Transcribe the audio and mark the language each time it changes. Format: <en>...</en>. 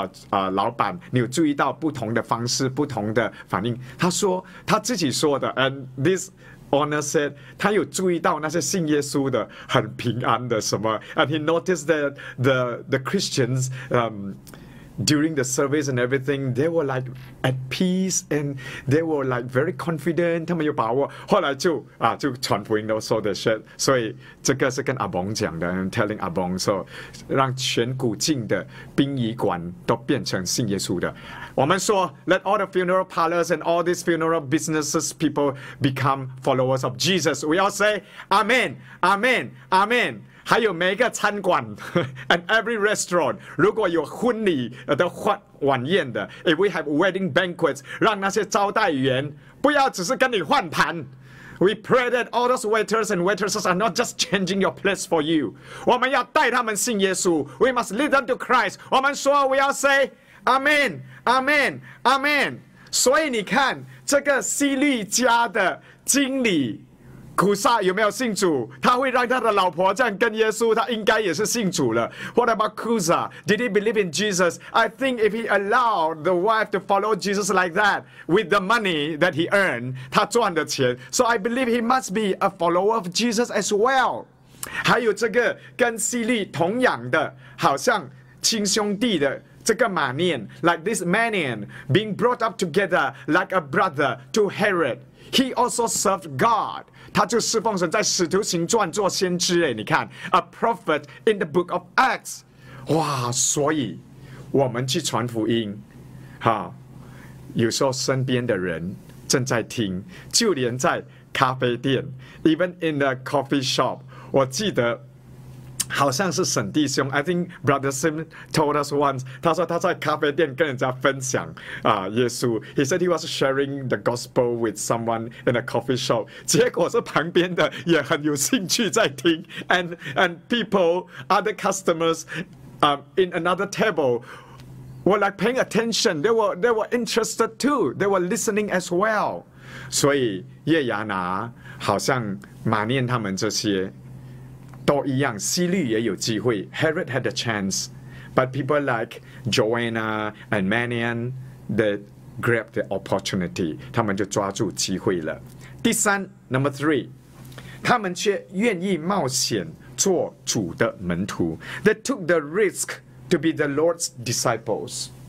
<zh>老板你有注意到不同的方式不同的反应他说他自己说的</zh> <en>And this owner said</en> <zh>他有注意到那些信耶稣的很平安的什么</zh> <en>And he noticed that the Christians during the service and everything, they were like at peace and they were like very confident.</en> <zh>他们有把握。后来就传福音都说的是，所以这个是跟阿蒙讲的 ，</zh> <en>I'm telling</en> <zh>阿蒙说，让全古晋的殡仪馆都变成信耶稣的。我们说</zh> <en>，Let all the funeral parlors and all these funeral businesses people become followers of Jesus. We all say, Amen, Amen, Amen.</en> <zh>还有每一个餐馆</zh> <en>and every restaurant</en> <zh>如果有婚礼的晚宴的</zh> <en>if we have wedding banquets</en> <zh>让那些招待员不要只是跟你换盘</zh> <en>we pray that all those waiters and waitresses are not just changing your place for you</en> <zh>我们要带他们信耶稣</zh> <en>we must lead them to Christ</en> <zh>我们说</zh> <en>we all say Amen Amen Amen</en> <zh>所以你看这个西律家的经理古撒有没有信主？他会让他的老婆这样跟耶稣，他应该也是信主了。</zh> <en>What about Cusa? Did he believe in Jesus? I think if he allowed the wife to follow Jesus like that with the money that he earned,</en> <zh>他赚的钱</zh> <en>，so I believe he must be a follower of Jesus as well.</en> <zh>还有这个跟西律同样的，好像亲兄弟的。这个马念</zh> <en>like this Manian, being brought up together like a brother to Herod, he also served God.</en> <zh>他就侍奉神，在《使徒行传》做先知。哎，你看</zh> <en>，a prophet in the book of Acts.</en> <zh>哇，所以我们去传福音，哈，有时候身边的人正在听，就连在咖啡店 ，</zh> <en>even in the coffee shop.</en> <zh>我记得。好像是沈弟兄</zh> <en>I think Brother Sim told us once</en> <zh>他说他在咖啡店跟人家分享耶稣</zh> <en>He said he was sharing the gospel with someone in a coffee shop</en> <zh>结果是旁边的也很有兴趣在听</zh> <en>and people, other customers in another table were like paying attention. They were interested too. They were listening as well.</en> <zh>所以叶亚拿好像马念他们这些都一样，希律也有机会。</zh> <en>Herod had a chance, but people like Joanna and Manian that grabbed the opportunity.</en> <zh>他们就抓住机会了。第三 ，</zh> <en>Number three，</en> <zh>他们却愿意冒险做主的门徒。</zh> <en>They took the risk to be the Lord's disciples.</en>